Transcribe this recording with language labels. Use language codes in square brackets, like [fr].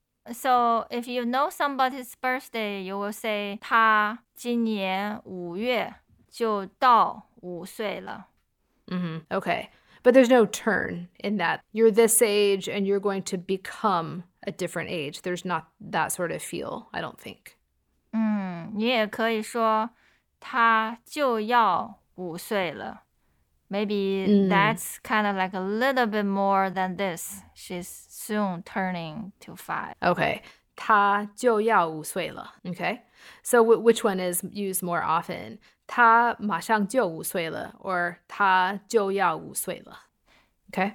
[en] So if you know somebody's birthday, you will say [zh] 她今年五月就到五岁了. [en] Mm-hmm. Okay, but there's no turn in that. You're this age and you're going to become a different age. There's not that sort of feel, I don't think. [zh] 你也可以说她就要五岁了. [en] Maybe that's kind of like a little bit more than this. She's soon turning to 5. [zh] Okay. 他就要五岁了, okay? [en] So which one is used more often? [zh] 他马上就五岁了, [en] or [zh] 他就要五岁了, [en] okay?